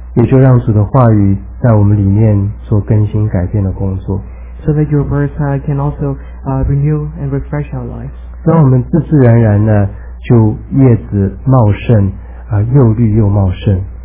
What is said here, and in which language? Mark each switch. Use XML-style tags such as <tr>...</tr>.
<zh>也就让主的话语在我们里面做更新改变的工作</zh> <en>so that your words can also renew and refresh our lives</en> <zh>让我们自自然然的就叶子茂盛又绿又茂盛</zh>